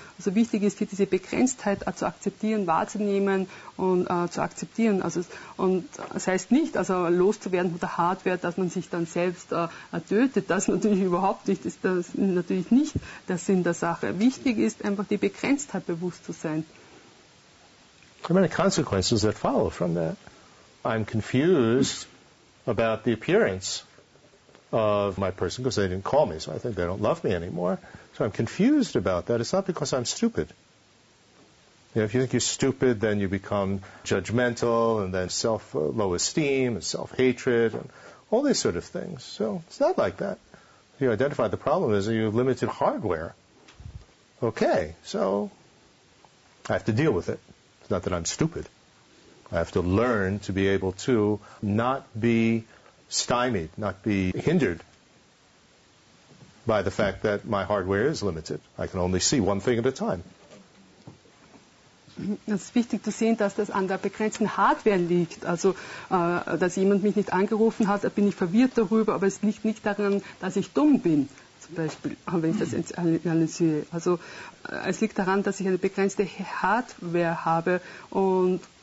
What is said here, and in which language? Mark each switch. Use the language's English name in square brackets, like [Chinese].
[German] Also wichtig ist hier diese Begrenztheit zu akzeptieren, wahrzunehmen und zu akzeptieren. Also, und das heißt nicht, also loszuwerden von der Hardware, dass man sich dann selbst tötet. Das natürlich überhaupt nicht. Das ist natürlich nicht der Sinn der Sache. Wichtig ist einfach die Begrenztheit bewusst zu sein. [English] There are many consequences that follow from that. I'm confused about the appearance of my person because they didn't call me, so I think they don't love me anymore. So I'm confused about that. It's not because I'm stupid. You know, if you think you're stupid, then you become judgmental, and then low esteem and self-hatred and all these sort of things. So it's not like that. You identify the problem as you have limited hardware. Okay, so I have to deal with it. It's not that I'm stupid. I have to learn to be able to not be stymied, not be hindered by the fact that my hardware is limited. I can only see one thing at a time. [German] Es ist wichtig zu sehen, dass das an der begrenzten Hardware liegt. Also, dass jemand mich nicht angerufen hat, da bin ich verwirrt darüber, aber es liegt nicht daran, dass ich dumm bin, zum Beispiel, wenn ich das analysiere. Also, es liegt daran, dass ich eine begrenzte Hardware habe und